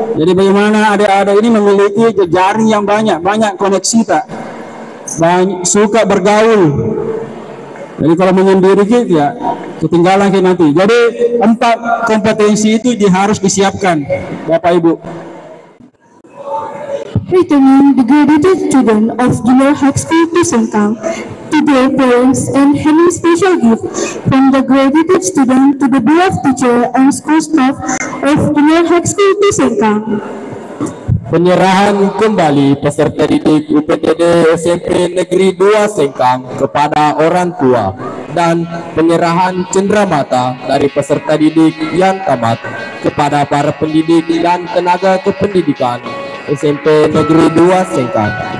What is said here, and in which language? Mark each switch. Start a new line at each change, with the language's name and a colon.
Indonesian: Jadi bagaimana adik-adik ini memiliki jejaring yang banyak, banyak koneksi tak? Banyak, suka bergaul. Jadi kalau menyendiri gitu ya, ketinggalan gitu nanti. Jadi empat kompetensi itu harus disiapkan, Bapak Ibu.
English: Returning the graduated student of Junior High School to Sengkang, to their parents and having special gift from the graduated student to the beloved teacher and school staff of Junior High School to Sengkang.
Indonesian: Penyerahan kembali peserta didik UPTD SMP Negeri 2 Sengkang kepada orang tua dan penyerahan cenderamata dari peserta didik yang tamat kepada para pendidik dan tenaga kependidikan SMP Negeri 2 Sengkang.